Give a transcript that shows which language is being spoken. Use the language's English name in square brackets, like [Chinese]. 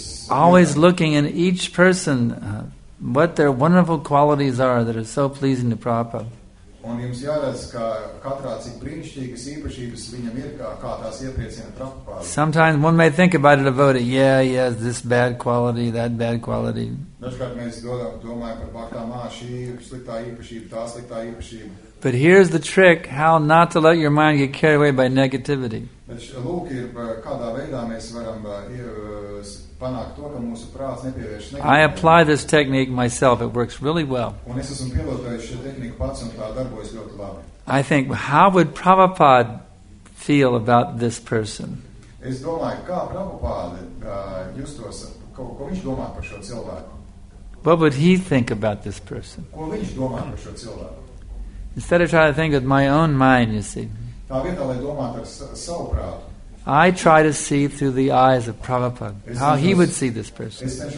[English] Always looking in each person what their wonderful qualities are that are so pleasing to Prabhupada. [Latvian] Un jums jāredz, ka katrā cik brīnišķīgas īpašības viņam ir, kā tās iepriecina Prabhupādu. [English] Sometimes one may think about a devotee, yeah, this bad quality, that bad quality. [Latvian] Dažkārt mēs domājam par bhaktām, šī sliktā īpašība, tā sliktā īpašība. [English] But here's the trick, how not to let your mind get carried away by negativity. [Latvian] Bet lūk ir, kādā veidā mēs varam panākt to, ka mūsu prāts nepievērš negatīvi. [English] I apply this technique myself, it works really well. [Latvian] Un es esmu pilotējis šo tehniku pats, un tā darbojas ļoti labi. [English] I think, how would Prabhupāda feel about this person? [Latvian] Es domāju, kā Prabhupāda justos, ko viņš domā par šo cilvēku? [English] What would he think about this person? [Latvian] Ko viņš domā par šo cilvēku? [English] Instead of trying to think with my own mind, you see. [Latvian] Tā vietā, lai domāt ar savu prātu. [English] I try to see through the eyes of Prabhupada, how he would see this person.